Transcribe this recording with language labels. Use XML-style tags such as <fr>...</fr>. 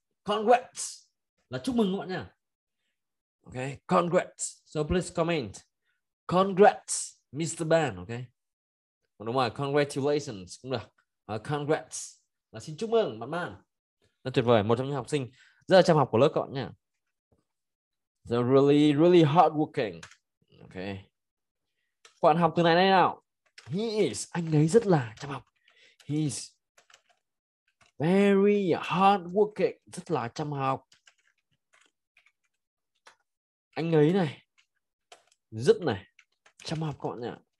<vi>Congrats là chúc mừng các bạn nha.</vi> <en>Okay, congrats. So please comment. Congrats Mr. Ban, okay?</en> <vi>Đúng rồi, congratulations cũng được. Congrats là xin chúc mừng bạn Ban. Rất tuyệt vời, một trong những học sinh rất là chăm học của lớp các bạn nha.</vi> <en>So really really hardworking.</en> <vi>Okay. Quan học từ này đây nào. He is, anh ấy rất là chăm học.</vi> <en>He is very hardworking,</en> <vi>rất là chăm học. Anh ấy này rất này chăm học các bạn nha.</vi>